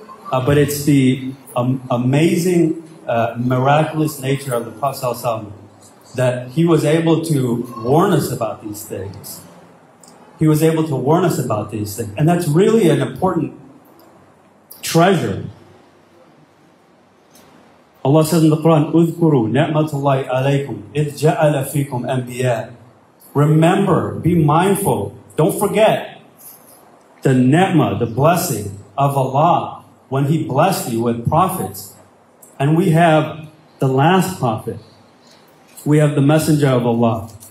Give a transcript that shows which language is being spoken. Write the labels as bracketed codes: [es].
[en] But it's the amazing, miraculous nature of the Prophet that he was able to warn us about these things. He was able to warn us about these things. And that's really an important treasure. Allah says in the Quran, [ar] اذكروا نعمة الله عليكم إذ جعل فيكم أنبياء. [en] Remember, be mindful, don't forget the ni'mah, the blessing of Allah when He blessed you with prophets. And we have the last prophet. We have the messenger of Allah.